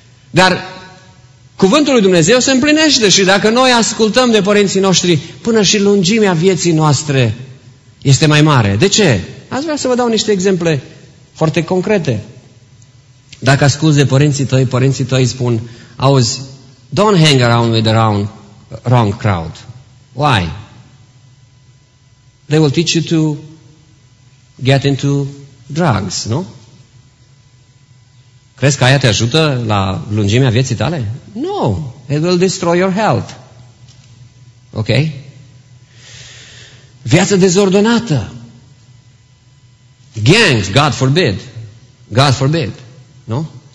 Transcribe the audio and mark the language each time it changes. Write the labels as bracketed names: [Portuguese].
[Romanian] Dar cuvântul lui Dumnezeu se împlinește și dacă noi ascultăm de părinții noștri, până și lungimea vieții noastre este mai mare. De ce? Aș vrea să vă dau niște exemple foarte concrete. Dacă asculți de părinții tăi, părinții tăi spun, auzi, [English] don't hang around with the wrong crowd. Why? They will teach you to get into drugs, [Romanian] nu? Crezi că aia te ajută la lungimea vieții tale? [English] No, it will destroy your health. Ok? [Romanian] Viața dezordonată. [English] Gangs, God forbid. God forbid, [Romanian] nu?